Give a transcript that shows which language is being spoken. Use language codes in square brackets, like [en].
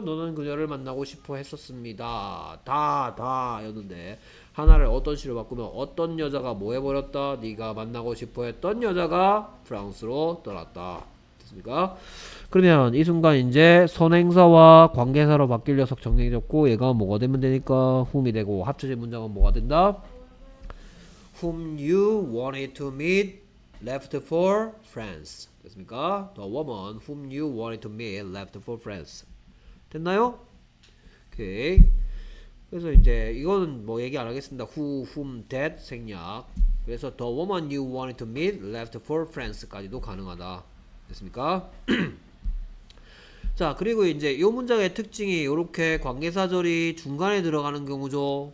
[ko] 너는 그녀를 만나고 싶어 했었습니다. 다 였는데 하나를 어떤 시로 바꾸면 어떤 여자가 뭐 해버렸다. 네가 만나고 싶어 했던 여자가 프랑스로 떠났다. 됐습니까? 그러면 이 순간 이제 선행사와 관계사로 바뀔 녀석 정해졌고 얘가 뭐가 되면 되니까 whom이 되고 합쳐진 문장은 뭐가 된다? [en] Whom you wanted to meet left for France. [ko] 됐습니까? [en] The woman whom you wanted to meet left for France. [ko] 됐나요? 오케이. 그래서 이제 이거는 뭐 얘기 안 하겠습니다. [en] Who, whom, that [ko] 생략. 그래서 [en] the woman you wanted to meet left for France까지도 [ko] 가능하다. 됐습니까? 자, 그리고 이제 요 문장의 특징이 요렇게 관계사절이 중간에 들어가는 경우죠.